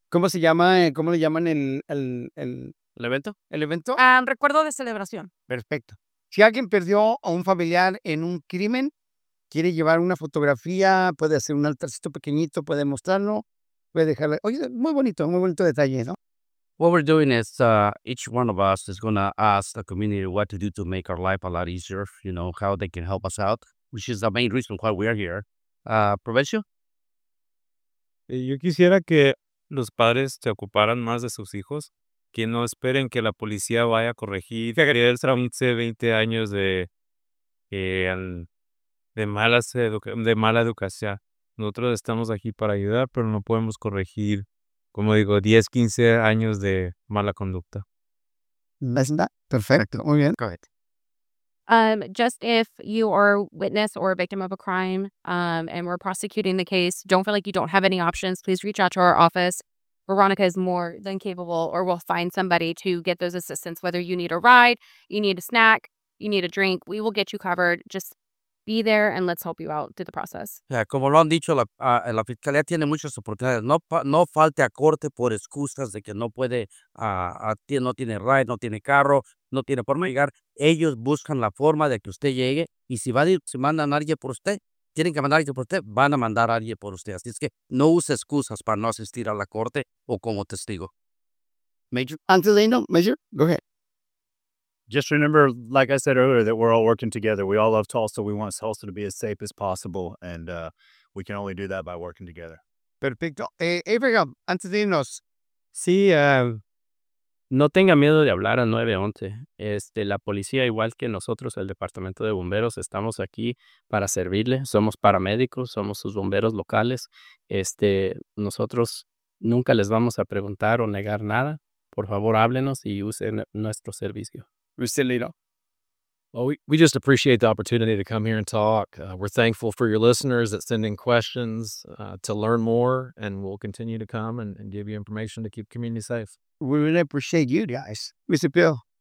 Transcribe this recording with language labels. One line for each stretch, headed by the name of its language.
Spanish: ¿Cómo se llama? ¿Cómo le llaman el evento? ¿El evento? Recuerdo de celebración. Perfecto. Si alguien perdió a un familiar en un crimen, quiere llevar una fotografía, puede hacer un altarcito pequeñito, puede mostrarlo, puede dejarle. Oye, muy bonito detalle, ¿no?
English: What we're doing is each one of us is going to ask the community what to do to make our life a lot easier, you know, how they can help us out, which is the main reason why we are here.
Spanish: Provecho. Yo quisiera que los padres se ocuparan más de sus hijos, que no esperen que la policía vaya a corregir. Que él tramite 20 años de mala educación. Nosotros estamos aquí para ayudar, pero no podemos corregir. Como digo, 10, 15 años de mala conducta.
English: Isn't that perfect?
Spanish: Muy bien.
English: Go ahead. Just if you are a witness or a victim of a crime and we're prosecuting the case, don't feel like you don't have any options. Please reach out to our office. Veronica is more than capable or we'll find somebody to get those assistance. Whether you need a ride, you need a snack, you need a drink, we will get you covered. Just be there and let's help you out through the process.
Spanish: Yeah, como lo han dicho, la fiscalía tiene muchas oportunidades. No falte a corte por excusas de que no puede, no tiene ride, no tiene carro, no tiene forma de llegar. Ellos buscan la forma de que usted llegue y si mandan a alguien por usted, tienen que mandar a alguien por usted, van a mandar a alguien por usted. Así es que no use excusas para no asistir a la corte o como testigo.
English: Major, until they know, Major, go ahead. Just remember, like I said earlier, that we're all working together. We all love Tulsa. We want Tulsa to be as safe as possible. And we can only do that by working together.
Spanish: Perfecto. Abraham, antes de irnos. Sí, no tenga miedo de hablar al 911. La policía, igual que nosotros, el Departamento de Bomberos, estamos aquí para servirle. Somos paramédicos, somos sus bomberos locales. Nosotros nunca les vamos a preguntar o negar nada. Por favor, háblenos y usen nuestro servicio.
English: Well, we just appreciate the opportunity to come here and talk. We're thankful for your listeners that send in questions to learn more, and we'll continue to come and give you information to keep community safe. We really appreciate you guys. Mr. Bill.